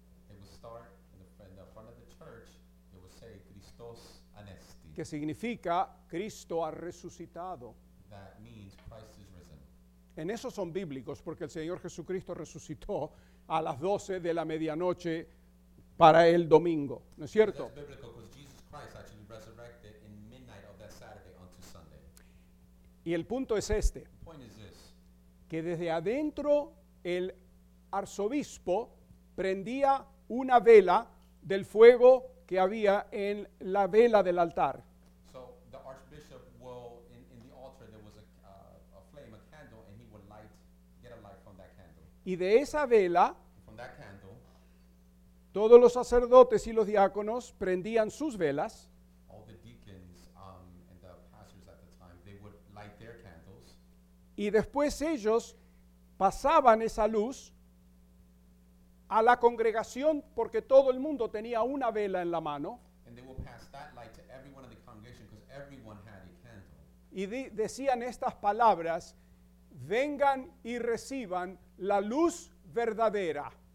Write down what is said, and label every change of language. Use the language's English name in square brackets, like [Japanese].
[English] It would start in the front of the church, it would say [Greek] Christos Anesti. [Spanish] Que significa Cristo ha resucitado. [English] That means Christ is risen. [Spanish] En eso son bíblicos, porque el Señor Jesucristo resucitó a las 12 de la medianoche para el domingo. ¿No es cierto? [English] That's biblical, because Christ actually resurrected in midnight of that Saturday onto Sunday. [Spanish] Y el punto es este. [English] The point is this. [Spanish] Que desde adentro el arzobispo prendía una vela del fuego que había en la vela del altar. [English] So the archbishop will, in the altar there was a flame, a candle, and he would light, get a light from that candle. [Spanish] Y de esa vela, [English] from that candle, [Spanish] todos los sacerdotes y los diáconos prendían sus velas. [English] All the deacons, and the pastors at the time, they would light their candles. [Spanish] Y después ellos pasaban esa luz a la congregación porque todo el mundo tenía una vela en la mano. [English] And they would pass that light to everyone in the congregation because everyone had a candle. [Spanish] Y decían estas palabras, vengan y reciban la luz verdadera.